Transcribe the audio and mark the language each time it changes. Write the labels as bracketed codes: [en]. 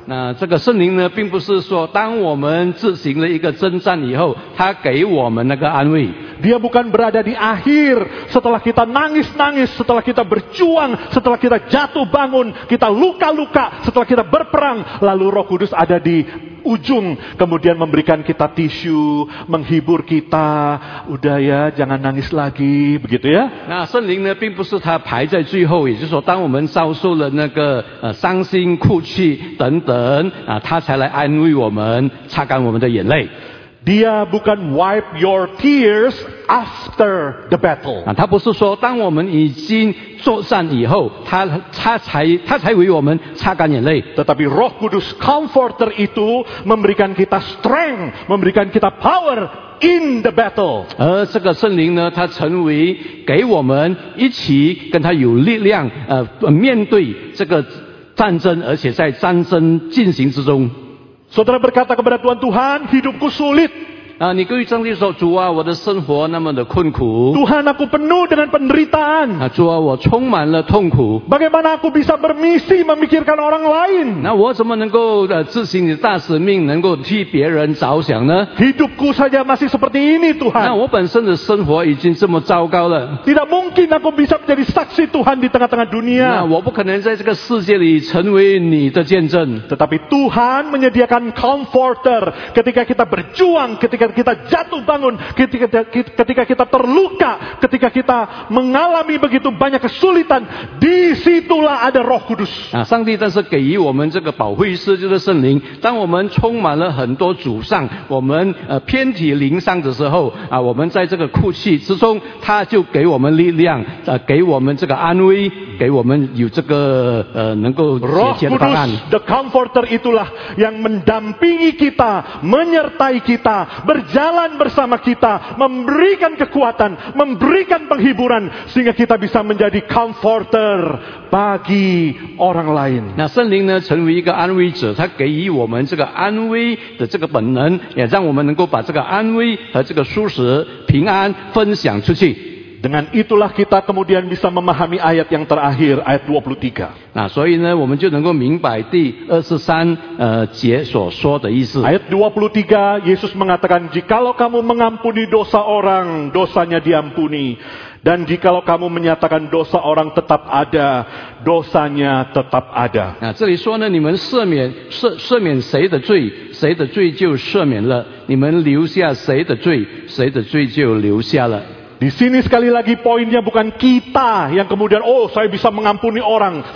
[zh] 那这个圣灵呢，并不是说当我们执行了一个征战以后，他给我们那个安慰。 [id] Dia bukan berada di akhir setelah kita nangis-nangis, setelah kita berjuang, setelah kita jatuh bangun, kita luka-luka, setelah kita berperang, lalu Roh Kudus ada di ujung kemudian memberikan kita tisu, menghibur kita, udah ya jangan nangis lagi, begitu ya. [zh] 那圣灵呢并不是他排在最后，也就是说当我们遭受了那个伤心哭泣等等他才来安慰我们，擦干我们的眼泪。 [id] Dia bukan [en] wipe your tears after the battle. [zh] 他不是说当我们已经作战以后，他才为我们擦干眼泪。 [id] Tetapi Roh Kudus Comforter itu memberikan kita strength, memberikan kita [en] power in the battle. [zh] 而这个圣灵呢，他成为给我们一起跟他有力量，面对这个战争，而且在战争进行之中。 [id] Saudara berkata kepada Tuhan, Tuhan, hidupku sulit. [zh] 你可以这样说，主啊，我的生活那么的困苦。 [id] Tuhan, aku penuh dengan penderitaan. [zh] 主啊，我充满了痛苦。 [id] Bagaimana aku bisa bermisi memikirkan orang lain? [zh] 那我怎么能够执行你的大使命，能够替别人着想呢？ [id] Hidupku saja masih seperti ini, Tuhan. [zh] 那我本身的生活已经这么糟糕了。 [id] Tidak mungkin aku bisa menjadi saksi Tuhan di tengah-tengah dunia. [zh] 那我不可能在这个世界里成为你的见证。 [id] Tetapi Tuhan menyediakan comforter ketika kita berjuang, ketika ketika kita jatuh bangun, ketika kita terluka, ketika kita mengalami begitu banyak kesulitan, disitulah ada Roh Kudus. [zh] Nah, 上帝但是给予我们这个保惠师就是圣灵，当我们充满了很多沮丧，我们偏体灵伤的时候，我们在这个哭泣之中，他就给我们力量，给我们这个安慰，给我们有这个能够解决的答案。 [id] The Comforter itulah yang mendampingi kita, menyertai kita, berjalan bersama kita, memberikan kekuatan, memberikan penghiburan, sehingga kita bisa menjadi comforter bagi orang lain. [zh] Nah, 圣灵呢成为一个安慰者，他给予我们这个安慰的这个本能，也让我们能够把这个安慰和这个舒适、平安分享出去。 [id] Dengan itulah kita kemudian bisa memahami ayat yang terakhir, ayat 23. [zh] Nah, 所以呢，我们就能够明白第23节所说的意思。 [id] Ayat 23, Yesus mengatakan, jikalau kamu mengampuni dosa orang, dosanya diampuni. Dan jikalau kamu menyatakan dosa orang tetap ada, dosanya tetap ada. [zh] Nah, 这里说呢，你们赦免谁的罪，谁的罪就赦免了；你们留下谁的罪，谁的罪就留下了。 [id] Di sini sekali lagi poinnya bukan kita yang kemudian, oh saya bisa mengampuni orang.